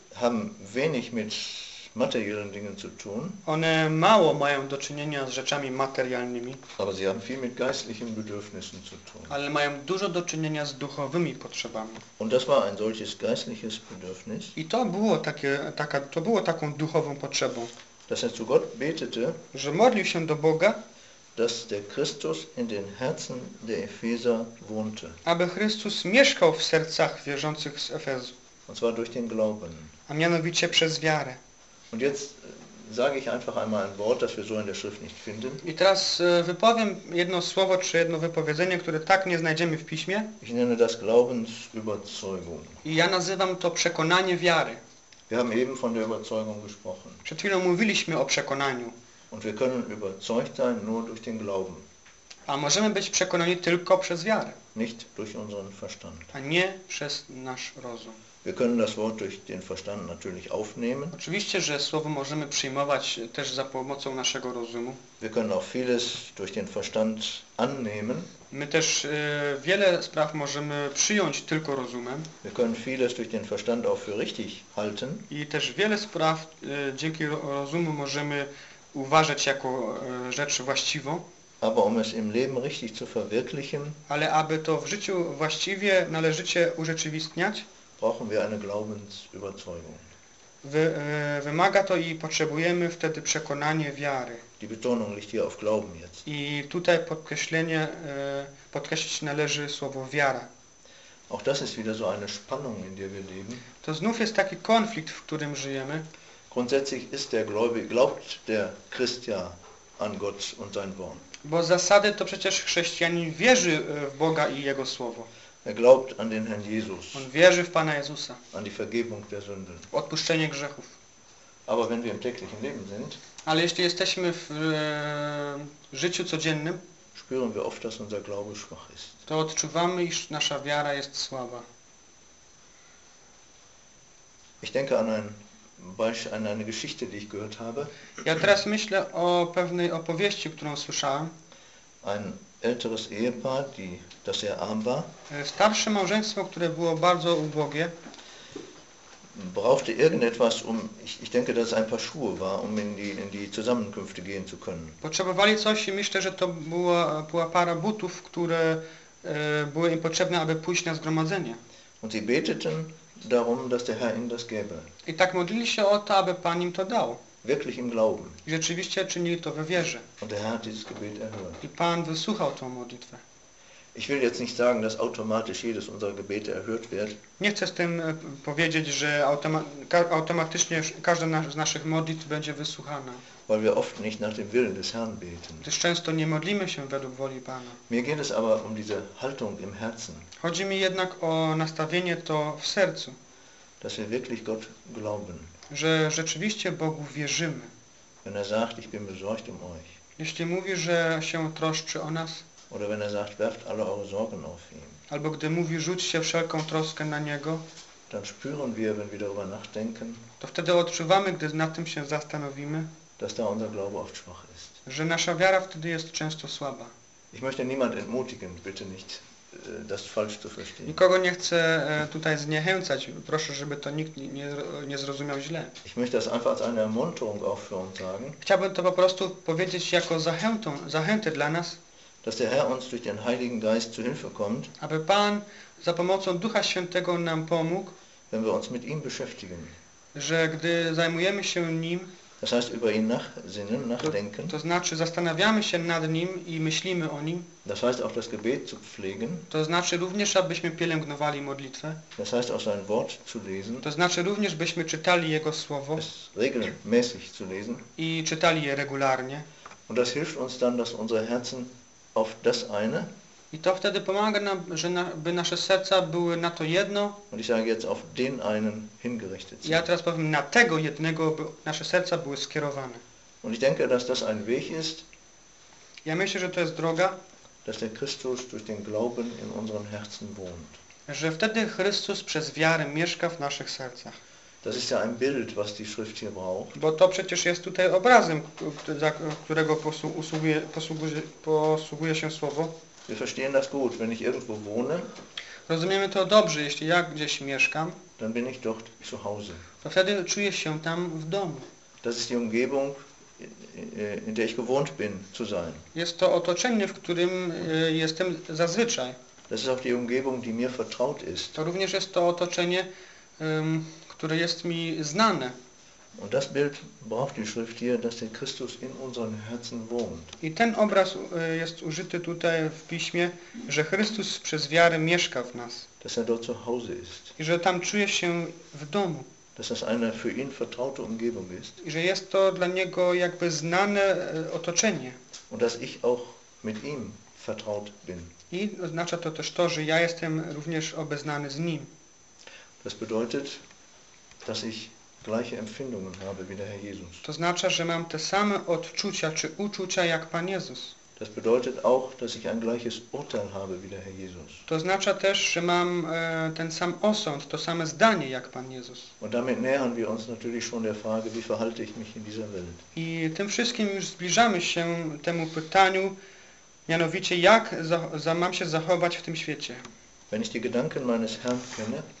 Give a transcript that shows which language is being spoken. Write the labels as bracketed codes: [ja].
[de] haben wenig mit materiellen Dingen zu tun. [pl] One mało mają do czynienia z rzeczami materialnymi. [de] Aber sie haben viel mit geistlichen Bedürfnissen zu tun. [pl] Ale mają dużo do czynienia z duchowymi potrzebami. [de] Und das war ein solches geistliches Bedürfnis. [pl] I to było taką duchową potrzebą. [de] Dass er zu Gott betete, [pl] że modlił się do Boga, [de] dass der Christus in den Herzen der Epheser wohnte. [pl] Aby Chrystus mieszkał w sercach wierzących z Efezu. [de] Und zwar durch den Glauben. [pl] A mianowicie przez wiarę. [de] Und jetzt sage ich einfach einmal ein Wort, das wir so in der Schrift nicht finden. [pl] I teraz wypowiem jedno słowo, czy jedno wypowiedzenie, które tak nie znajdziemy w Piśmie. [de] Ich nenne das Glaubensüberzeugung. [pl] I ja nazywam to przekonanie wiary. [de] Wir haben eben von der Überzeugung gesprochen. [pl] Przed chwilą mówiliśmy o przekonaniu. [de] Und wir können überzeugt sein nur durch den Glauben. [pl] A możemy być przekonani tylko przez wiarę. [de] Nicht durch unseren Verstand. [pl] A nie przez nasz rozum. [de] Wir können das Wort durch den Verstand natürlich aufnehmen. [pl] Oczywiście, że słowo możemy przyjmować też za pomocą naszego rozumu. [de] Wir können auch vieles durch den Verstand annehmen. [pl] My też wiele spraw możemy przyjąć tylko rozumem. [de] Wir können vieles durch den Verstand auch für richtig halten. [pl] I też wiele spraw dzięki rozumu możemy uważać jako rzecz właściwą. [de] Aber um es im Leben richtig zu verwirklichen, [pl] ale aby to w życiu właściwie należycie urzeczywistniać, [de] brauchen wir eine Glaubensüberzeugung. [pl] Wymaga to i potrzebujemy wtedy przekonanie wiary. [de] Die Betonung liegt hier auf Glauben jetzt. [pl] I tutaj podkreślenie, podkreślić należy słowo wiara. [de] Auch das ist wieder so eine Spannung, in der wir leben. [pl] To znów jest taki konflikt, w którym żyjemy. [de] Grundsätzlich ist der Gläubig, glaubt der Christian an Gott und sein Wort. [pl] Bo zasady to przecież chrześcijanin wierzy w Boga i Jego Słowo. [de] Er glaubt an den Herrn Jesus. [pl] On wierzy w Pana Jezusa. [de] An die Vergebung der Sünden. [pl] Odpuszczenie grzechów. [de] Aber wenn wir im täglichen Leben sind, [pl] ale jeśli jesteśmy w życiu codziennym, [de] spüren wir oft, dass unser Glaube schwach ist. [pl] To odczuwamy, iż nasza wiara jest słaba. [de] Ich denke an ein an eine Geschichte, die ich gehört habe. [pl] Ja teraz myślę o pewnej opowieści, którą słyszałem. [de] Ein älteres Ehepaar, das sehr arm war. [pl] Starsze małżeństwo, które było bardzo ubogie. [de] Brauchte irgendetwas, um ich denke, dass es ein paar Schuhe war, um in die Zusammenkünfte gehen zu können. [pl] Potrzebowali coś i myślę, że to była para butów, które były im potrzebne, aby pójść na zgromadzenie. [de] Und sie beteten darum, dass der Herr ihnen das gäbe. [pl] I tak modlili się o to, aby Pan im to dał. [de] Wirklich im Glauben. [pl] I rzeczywiście czynili to we wierze. [de] Und der Herr hat dieses Gebet erhört. [pl] I Pan wysłuchał tą modlitwę. [de] Ich will jetzt nicht sagen, dass automatisch jedes unserer Gebete erhört wird. [pl] Nie chcę z tym powiedzieć, że automatycznie każda z naszych modlitw będzie wysłuchana. [de] Weil wir oft nicht nach dem Willen des Herrn beten. [pl] Gdyż często nie modlimy się według woli Pana. [de] Mir geht es aber um diese Haltung im Herzen. [pl] Chodzi mi jednak o nastawienie to w sercu. [de] Dass wir wirklich Gott glauben. [pl] Że rzeczywiście Bogu wierzymy. [de] Wenn er sagt, ich bin besorgt um euch. [pl] Jeśli mówi, że się troszczy o nas. [de] Oder wenn er sagt, werft alle eure Sorgen auf ihn. [pl] Albo gdy mówi, rzućcie wszelką troskę na Niego. [de] Dann spüren wir, wenn wir darüber nachdenken. [pl] To wtedy odczuwamy, gdy nad tym się zastanowimy. [de] Dass da unser Glaube oft schwach ist. [pl] Że nasza wiara wtedy jest często słaba. [de] Ich möchte niemand entmutigen, bitte nicht. Das falsch zu verstehen. [pl] Nikogo nie chcę tutaj zniechęcać. Proszę, żeby to nikt nie zrozumiał źle. [de] Ich möchte das einfach als eine Ermunterung auch für uns sagen. [pl] Chciałbym to po prostu powiedzieć jako zachętę dla nas. [de] Dass der Herr uns durch den Heiligen Geist zu Hilfe kommt. [pl] Aby Pan za pomocą Ducha Świętego nam pomógł. [de] Wenn wir uns mit ihm beschäftigen. [pl] Że gdy zajmujemy się nim. [de] Das heißt über ihn nachsinnen, nachdenken. [pl] To znaczy zastanawiamy się nad nim i myślimy o nim. [de] Das heißt auch das Gebet zu pflegen. [pl] To znaczy również, abyśmy pielęgnowali modlitwę. [de] Das heißt auch sein Wort zu lesen. [pl] To znaczy również, byśmy czytali Jego Słowo. [de] Es regelmäßig zu lesen. [pl] I czytali je regularnie. [de] Und das hilft uns dann, dass unsere Herzen auf das eine. [pl] I to wtedy pomaga nam, by nasze serca były na to jedno. [de] Und ich sage jetzt auf den einen hingerichtet. [pl] Ja teraz powiem, na tego jednego, by nasze serca były skierowane. [de] Und ich denke, dass das ein Weg ist. [pl] Ja myślę, że to jest droga. [de] Dass der Christus durch den Glauben in unseren Herzen wohnt. [pl] Że wtedy Chrystus przez wiarę mieszka w naszych sercach. [de] Das ist ja ein Bild, was die Schrift hier braucht. [pl] Bo to przecież jest tutaj obrazem, którego posługuje się słowo. [de] Wir verstehen das gut, wenn ich irgendwo wohne. [pl] Rozumiemy to dobrze, jeśli ja gdzieś mieszkam. [de] Dann bin ich dort zu Hause. [pl] To wtedy czuję się tam w domu. [de] Das ist die Umgebung, in der ich gewohnt bin zu sein. [pl] Jest to otoczenie, w którym jestem zazwyczaj. [de] Das ist auch die Umgebung, die mir vertraut ist. [pl] To również jest to otoczenie, które jest mi znane. [de] Und das Bild braucht die Schrift hier, dass der Christus in unseren Herzen wohnt. [pl] I ten obraz jest użyty tutaj w piśmie, że Chrystus przez wiarę mieszka w nas. [de] Dass er dort zu Hause ist. [pl] I że tam czuje się w domu. [de] Dass das eine für ihn vertraute Umgebung ist. [pl] I że jest to dla niego jakby znane otoczenie. [de] Und dass ich auch mit ihm vertraut bin. [pl] I oznacza to też to, że ja jestem również obeznany z nim. [de] Das bedeutet, dass ich gleiche Empfindungen habe wie der Herr Jesus. [pl] To znaczy, że mam te same odczucia czy uczucia jak Pan Jezus. [de] Das bedeutet auch, dass ich ein gleiches Urteil habe wie der Herr Jesus. [pl] To oznacza też, że mam ten sam osąd, to same zdanie jak Pan Jezus. [de] Und damit nähern wir uns natürlich schon der Frage, wie verhalte ich mich in dieser Welt. [pl] I tym wszystkim już zbliżamy się temu pytaniu, mianowicie jak mam się zachować w tym świecie. [de] Wenn ich die Gedanken meines Herrn kenne,